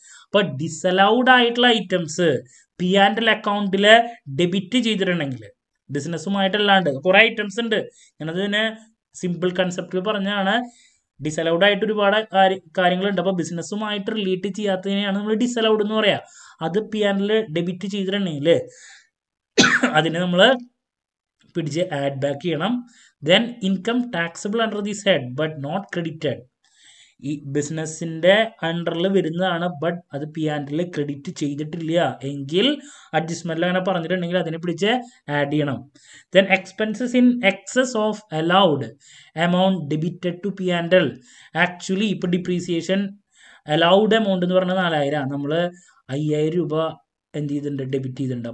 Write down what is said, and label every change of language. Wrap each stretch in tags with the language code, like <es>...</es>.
<ml>അപ്പോൾ ഡിസലൗഡ് ആയിട്ടുള്ള items P ആൻഡിലെ അക്കൗണ്ടിൽ ഡെബിറ്റ് ചെയ്തിട്ടുണ്ടെങ്കിൽ, ബിസിനസ്സുമായിട്ടല്ലാണ്ട് കുറേ ഐറ്റംസ് ഉണ്ട്, ഞാനത് തന്നെ സിമ്പിൾ കൺസെപ്റ്റിൽ പറഞ്ഞതാണ്. ഡിസലൗഡ് ആയിട്ട് ഒരുപാട് കാര്യങ്ങളുണ്ട്. അപ്പോൾ ബിസിനസ്സുമായിട്ട് റിലേറ്റ് ചെയ്യാത്തതിനെയാണ് നമ്മൾ ഡിസലൗഡ് എന്ന് പറയുക. അത് പി ആൻഡിൽ ഡെബിറ്റ് ചെയ്തിട്ടുണ്ടെങ്കിൽ അതിനെ നമ്മൾ പിടിച്ച് ആഡ് ബാക്ക് ചെയ്യണം.</ml> <en>Then income taxable under this head but not credited. ഈ ബിസിനസ്സിന്റെ അണ്ടറിൽ വരുന്നതാണ് ബട്ട് അത് പി ആൻഡിൽ ക്രെഡിറ്റ് ചെയ്തിട്ടില്ല എങ്കിൽ അഡ്ജസ്റ്റ്മെന്റിൽ അങ്ങനെ പറഞ്ഞിട്ടുണ്ടെങ്കിൽ അതിനെ പിടിച്ച് ആഡ് ചെയ്യണം. Then expenses in excess of allowed amount debited to P ആൻഡിൽ.</en> <ml>Actually ഇപ്പോൾ ഡിപ്രീസിയേഷൻ അലൗഡ് എമൗണ്ട് എന്ന് പറഞ്ഞാൽ 4000 നമ്മൾ 5000 രൂപ എന്ത് ചെയ്തിട്ടുണ്ട് ഡെബിറ്റ് ചെയ്തിട്ടുണ്ട്.</ml>